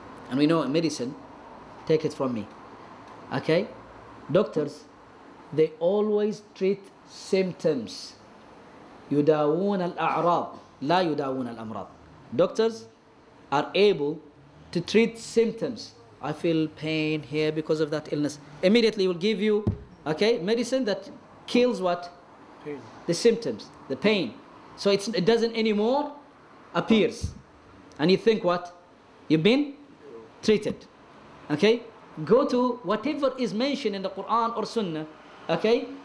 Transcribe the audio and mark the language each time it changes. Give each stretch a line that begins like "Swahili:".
English: And we know a medicine, take it from me, okay, doctors, they always treat symptoms.
Arabic: يداوون الأعراض لا يداوون الأمراض.
English: Doctors are able to treat symptoms. I feel pain here because of that illness. Immediately will give you, okay, medicine that kills what? Pain. The symptoms, the pain. So it doesn't anymore appears. And you think what? You've been treated. Okay? Go to whatever is mentioned in the Quran or Sunnah, okay,